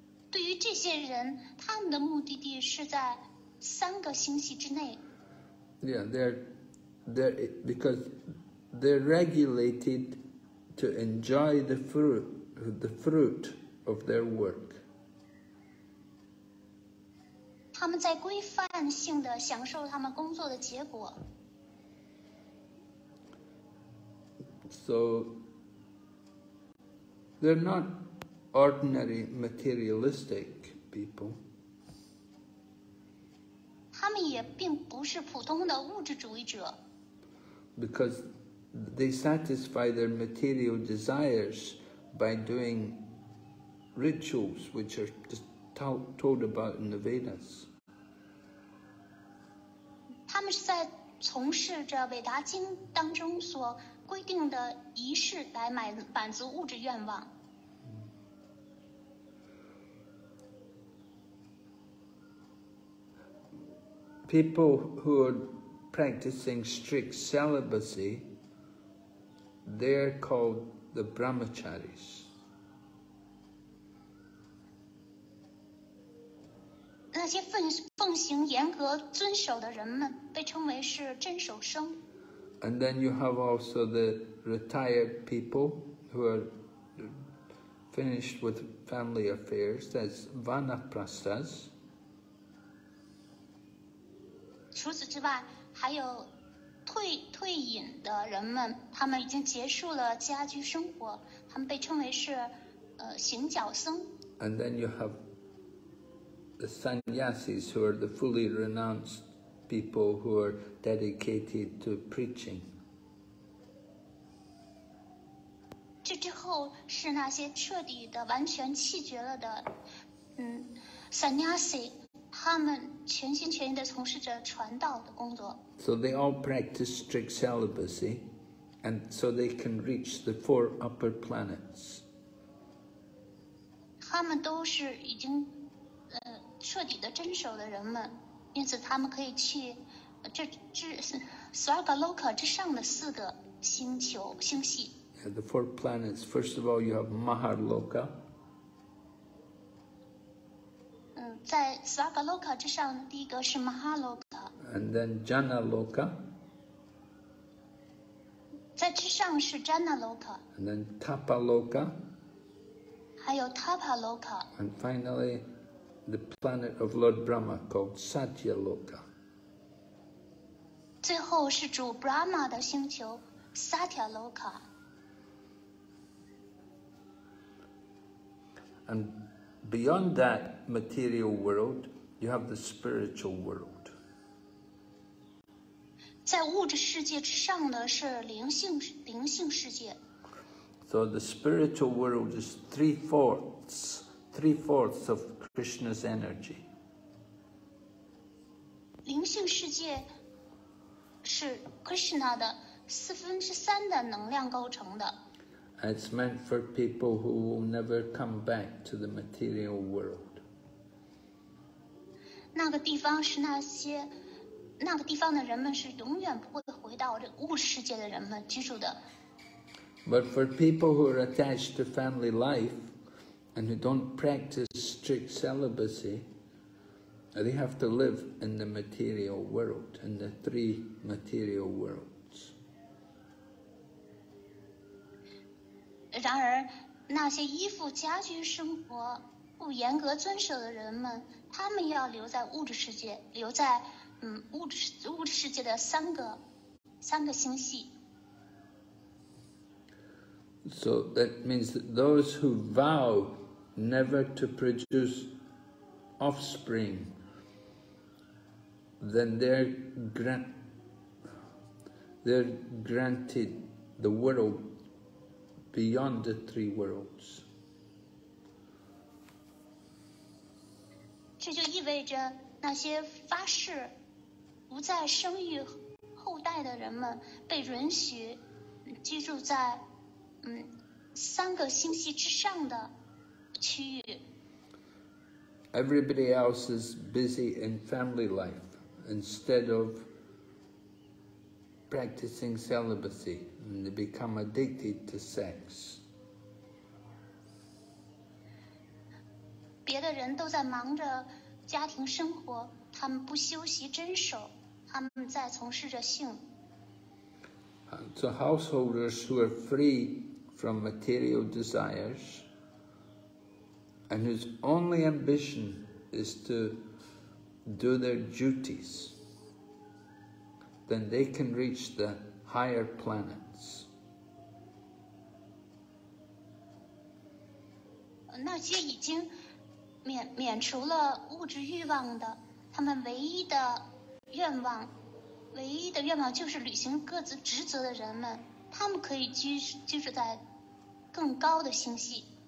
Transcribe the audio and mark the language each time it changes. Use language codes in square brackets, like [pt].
[zh] 对于这些人，他们的目的地是在三个星系之内。 [en] Yeah, they're because they're regulated to enjoy the fruit of their work. [zh] 他们在规范性的享受他们工作的结果。 [en] So they're not ordinary materialistic people. [zh] 他们也并不是普通的物质主义者。 [en] Because they satisfy their material desires by doing rituals which are told about in the Vedas. [zh] 他们是在从事着韦达经当中所规定的仪式来满足物质愿望。 [en] People who are practicing strict celibacy, they're called the brahmacharis. [zh] 那些奉行严格遵守的人们被称为是真守生。 [en] And then you have also the retired people who are finished with family affairs, that's vanaprastas. [zh] 除此之外，还有退隐的人们，他们已经结束了家居生活，他们被称为是行脚僧。 [en] And then you have the sannyasis, who are the fully renounced people who are dedicated to preaching. [zh] 这之后是那些彻底的、完全弃绝了的，sannyasi。他们全心全意地从事着传道的工作。 [en] So they all practice strict celibacy, and so they can reach the four upper planets. [zh] 他们都是已经彻底的遵守的人们，因此他们可以去这Swarga Loka之上的四个星球星系。 [en] Yeah, the four planets. First of all, you have Maharloka. [zh] 在 Swarga Loka 之上，第一个是 Mahaloka， [en] and then Jana Loka， [zh] 在之上是 Jana Loka， [en] and then Tapa Loka， [zh] 还有 Tapa Loka， [en] and finally the planet of Lord Brahma called Satya Loka， [zh] 最后是主 Brahma 的星球 Satya Loka， [en] andBeyond that material world, you have the spiritual world. [zh] 在物质世界之上的是灵性世界。 [en] So the spiritual world is three-fourths of Krishna's energy. [zh] 灵性世界是 Krishna 的四分之三的能量构成的。 [en] It's meant for people who will never come back to the material world. [zh] 那个地方是那些，那个地方的人们是永远不会回到这物质世界的人们居住的。 [en] But for people who are attached to family life and who don't practice strict celibacy, they have to live in the material world, in the three material worlds. [zh] 然而，那些依附家居生活、不严格遵守的人们，他们要留在物质世界，留在物质世界的三个星系。 [en] So that means that those who vow never to produce offspring, then they're granted the world. Beyond the three worlds. [zh] 这就意味着那些发誓不再生育后代的人们被允许居住在三个星系之上的区域。 [en] Everybody else is busy in family life instead of practicing celibacy and they become addicted to sex. [zh] 别的人都在忙着家庭生活，他们不修习真守，他们在从事着性。 [en] So householders who are free from material desires and whose only ambition is to do their duties, then they can reach the higher planets. [zh] 那些已经免除了物质欲望的，他们唯一的愿望就是履行各自职责的人们，他们可以居住在更高的星系。